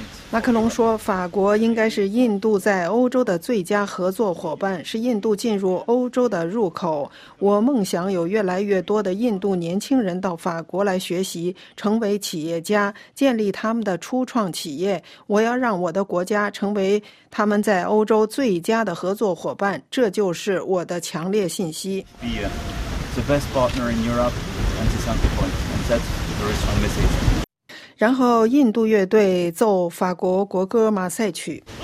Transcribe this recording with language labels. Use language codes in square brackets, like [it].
[zh] 马克龙说，法国应该是印度在欧洲的最佳合作伙伴，是印度进入欧洲的入口。我梦想有越来越多的印度年轻人到法国来学习，成为企业家，建立他们的初创企业。我要让我的国家成为他们在欧洲最佳的合作伙伴，这就是我的强烈信息。 [en] The best partner in Europe and the center point, and that's a very strong message. [zh] 然后印度乐队奏法国国歌马赛曲。